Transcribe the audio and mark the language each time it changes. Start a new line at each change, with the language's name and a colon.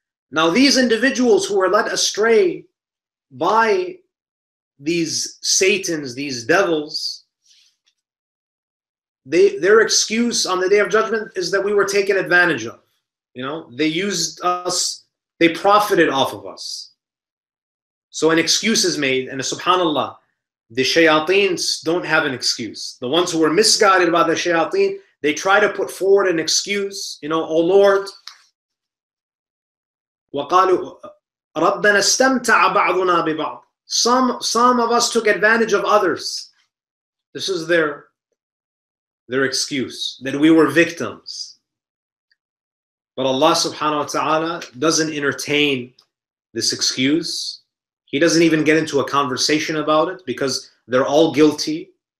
English: Now, these individuals who were led astray by these Satans, these devils, their excuse on the Day of Judgment is that we were taken advantage of. You know, they used us, they profited off of us. So an excuse is made, and subhanAllah, the shayateens don't have an excuse. The ones who were misguided by the shayateen, they try to put forward an excuse. You know, oh Lord,
Arabic: وَقَالُوا رَبَّنَا اسْتَمْتَعَ بَعْضُنَا بِبَعْضٍ.
English: Some of us took advantage of others. This is their excuse, that we were victims. But Allah subhanahu wa ta'ala doesn't entertain this excuse. He doesn't even get into a conversation about it, because they're all guilty.